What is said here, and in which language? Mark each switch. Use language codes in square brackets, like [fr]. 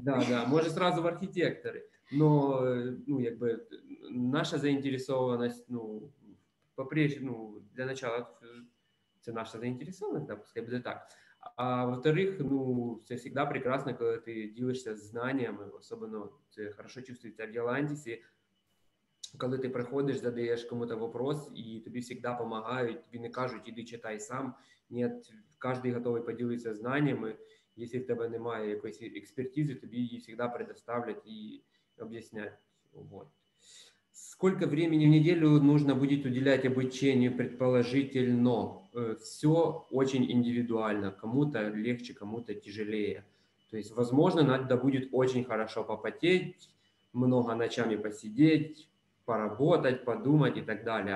[ru] Да, да, может сразу в архитекторы. Но ну, как бы, наша заинтересованность, ну, по-прежнему, для начала, это наша заинтересованность, да, пускай будет так. А во-вторых, ну, это всегда прекрасно, когда ты делишься знаниями, особенно это хорошо чувствуется в Ялантисе. [uk] Коли ти приходиш, задаєш кому-то вопрос, і тобі завжди допомагають, тобі не кажуть, іди читай сам. Ні, кожен готовий поділитися знаннями. Якщо в тебе немає якоїсь експертизи, тобі її завжди предоставлять і об'яснять. [ru] Вот. [uk] Скільки [ru] времени [uk] в неділю [ru] нужно будет уделять обучению, предположительно? Все очень индивидуально. Кому-то легче, кому-то тяжелее. То есть, возможно, надо будет очень хорошо попотеть, много ночами посидеть, поработать, подумать и так далее.